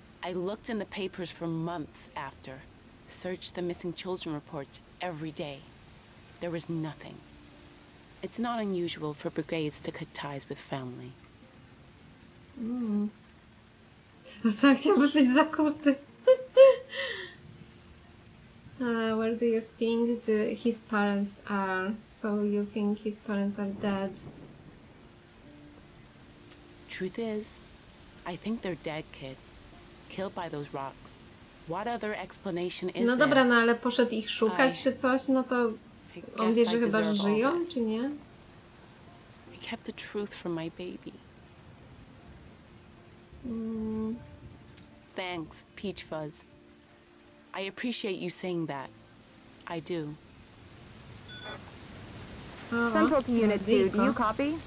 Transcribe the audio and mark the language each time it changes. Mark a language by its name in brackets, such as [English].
[English] I looked in the papers for months after. Searched the missing children reports every day. There was nothing. It's not unusual for brigades to cut ties with family. [Polish] Sam chciałby być zakuty. [English] Where do you think his parents are? So you think his parents are dead? Truth is, I think they're dead, kid. Killed by those rocks. What other explanation is there? [Polish] No dobra, no ale poszedł ich szukać czy coś, no to... On wie, że chyba żyją, czy nie? [English] I kept the truth from my baby. Thanks, Peach Fuzz. I appreciate you saying that. I do. Central to unit 2, do you copy?